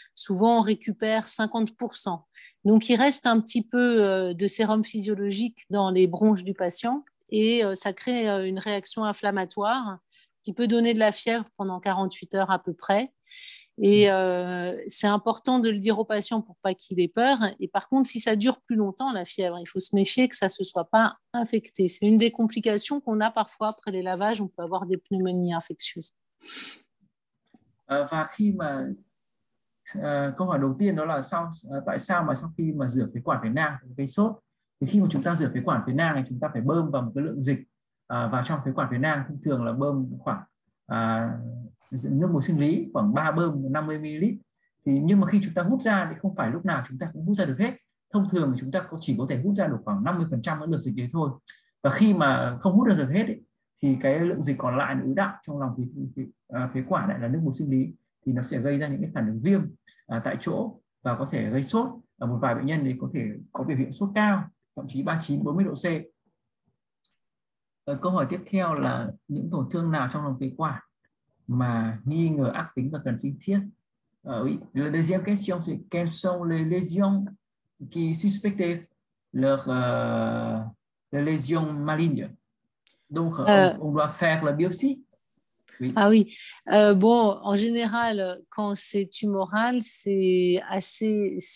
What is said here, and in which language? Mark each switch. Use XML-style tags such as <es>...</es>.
<fr>Souvent, on récupère 50%. Donc, il reste un petit peu de sérum physiologique dans les bronches du patient et ça crée une réaction inflammatoire qui peut donner de la fièvre pendant 48 heures à peu près. Et c'est important de le dire au patient pour pas qu'il ait peur. Et par contre, si ça dure plus longtemps, la fièvre, il faut se méfier que ça ne se soit pas infecté. C'est une des complications qu'on a parfois après les lavages. On peut avoir des pneumonies infectieuses.</fr> <vi>Và khi mà câu hỏi đầu tiên đó là sao, tại sao mà sau khi mà rửa phế quản phế nang gây sốt, thì khi mà chúng ta rửa phế quản phế nang thì chúng ta phải bơm vào một cái lượng dịch vào trong phế quản phế nang, thông thường là bơm khoảng nước muối sinh lý khoảng 3 bơm 50 ml. Thì nhưng mà khi chúng ta hút ra thì không phải lúc nào chúng ta cũng hút ra được hết, thông thường thì chúng ta chỉ có thể hút ra được khoảng 50% lượng dịch đấy thôi. Và khi mà không hút được hết ấy, thì cái lượng dịch còn lại ứ đọng trong lòng phế quản lại là nước muối sinh lý, thì nó sẽ gây ra những cái phản ứng viêm tại chỗ và có thể gây sốt. Và một vài bệnh nhân thì có thể có biểu hiện sốt cao, thậm chí 39-40 độ C. Câu hỏi tiếp theo là những tổn thương nào trong lòng phế quản mà nghi ngờ ác tính và cần sinh thiết?</vi> <fr>La deuxième question, c'est quelles sont les lésions qui suspectent les lésions malignes? Donc, on doit faire la biopsie? Oui. Ah oui. Bon, en général, quand c'est tumoral, c'est assez.</fr>